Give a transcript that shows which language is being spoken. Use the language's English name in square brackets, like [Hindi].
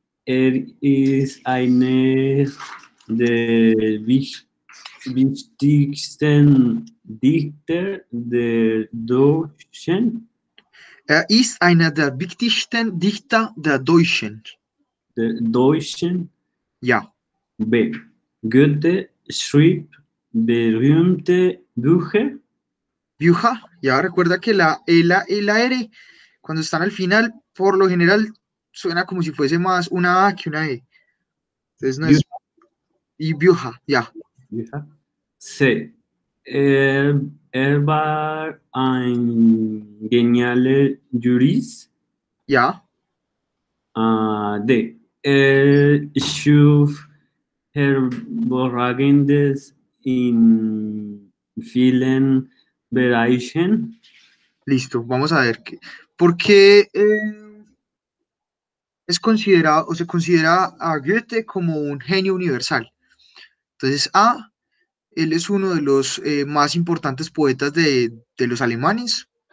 [German] Er ist eine der wichtigsten Dichter der Deutschen. Er ist einer der wichtigsten Dichter der Deutschen. Der Deutschen? Ja. B. Goethe schrieb berühmte Bücher. [Spanish] Bücher, ya recuerda que la R, cuando están al final, por lo general suena como si fuese más una A que una E. Entonces no es. Y Bücher, ya. [German] Bücher. [Spanish] Sí. [German] Er war ein genialer Jurist. [Spanish] Ya. D. [German] Er schuf hervorragendes in vielen. Bereichen. [Spanish] Listo, vamos a ver qué. ¿Por qué es considerado o se considera a Goethe como un genio universal? Entonces, A, él es uno de los más importantes poetas de los alemanes.